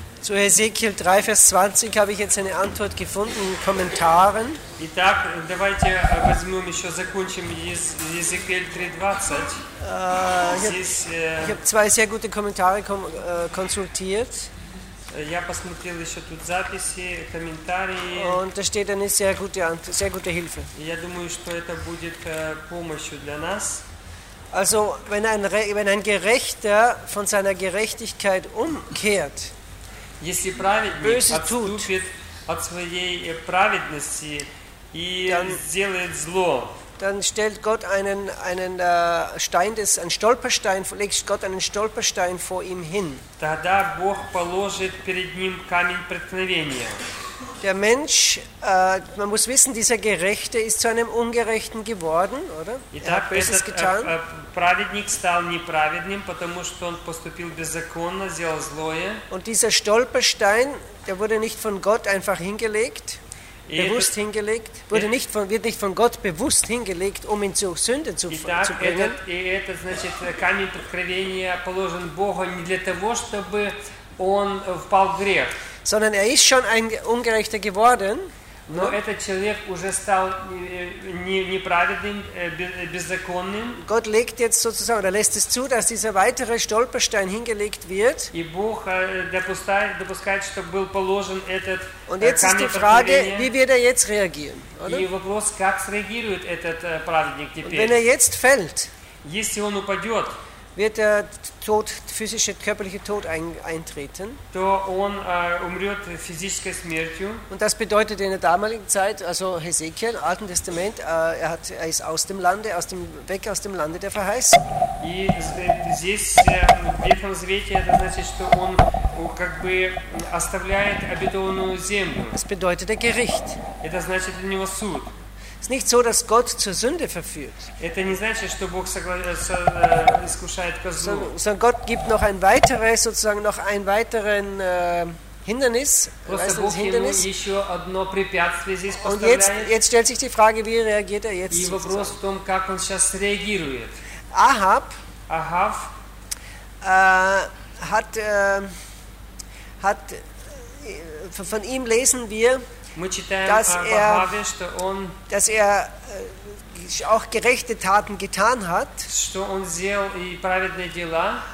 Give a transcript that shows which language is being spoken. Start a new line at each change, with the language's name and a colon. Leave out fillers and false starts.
German: Zu Ezekiel 3, Vers 20 habe ich jetzt eine Antwort gefunden in Kommentaren.
Russian: Итак, давайте возьмем еще закончим Ezekiel 3:20.
German: Ich habe zwei sehr gute Kommentare konsultiert.
Russian: Я посмотрел еще тут записи, комментарии.
German: Und da steht eine sehr gute Hilfe.
Russian: Я думаю, что это будет помощью для нас.
German: Also, wenn ein Gerechter von seiner Gerechtigkeit umkehrt,
Russian: если праведник отступит от своей праведности и сделает зло,
German: dann stellt Gott einen Stolperstein vor ihm hin.
Russian: Тогда Бог положит перед ним камень преткновения.
German: Der Mensch, man muss wissen, dieser Gerechte ist zu einem Ungerechten geworden, oder?
Russian: Итак,
German: er hat Böses getan.
Russian: Праведник стал неправедным, потому что он поступил беззаконно, сделал злое.
German: Und dieser Stolperstein, der wurde nicht von Gott einfach hingelegt, wird nicht von Gott bewusst hingelegt, um ihn zur Sünde zu bringen.
Russian: Это значит, камень преткновения положен Богом не для того, чтобы он впал в грех.
German: Sondern er ist schon ein Ungerechter geworden.
Russian: Но этот человек уже стал неправедным, беззаконным.
German: Gott legt jetzt sozusagen, oder lässt es zu, dass dieser weitere Stolperstein hingelegt wird.
Russian: И Бог допускает, чтобы был положен этот.
German: Und jetzt ist die Frage, wie wird er jetzt reagieren?
Russian: И вопрос, как среагирует этот праведник теперь?
German: Wenn er jetzt fällt,
Russian: если он упадет,
German: wird der Tod, physische, körperliche Tod eintreten.
Russian: То он умрет физической смертью.
German: Und das bedeutet in der damaligen Zeit, also Hesekiel, Alten Testament, er ist aus dem Lande, aus dem Lande der Verheißung.
Russian: И здесь, в Ветхом Завете, это значит, что он как бы оставляет обетованную землю.
German: Das bedeutet ein Gericht.
Russian: Это значит для него суд.
German: Es ist nicht so, dass Gott zur Sünde verführt.
Russian: Это не значит, что Бог искушает козу.
German: Sondern Gott gibt noch ein weiteres, sozusagen noch ein weiteren Hindernis.
Russian: Просто Бог ему еще одно препятствие здесь поставляет.
German: Und jetzt stellt sich die Frage, wie reagiert er jetzt?
Russian: И вопрос в том, как он сейчас реагирует.
German: Ахав hat von ihm lesen wir.
Russian: Мы читаем Ахаве, что он,
German: dass er auch gerechte Taten getan hat,
Russian: что он сделал и праведные дела,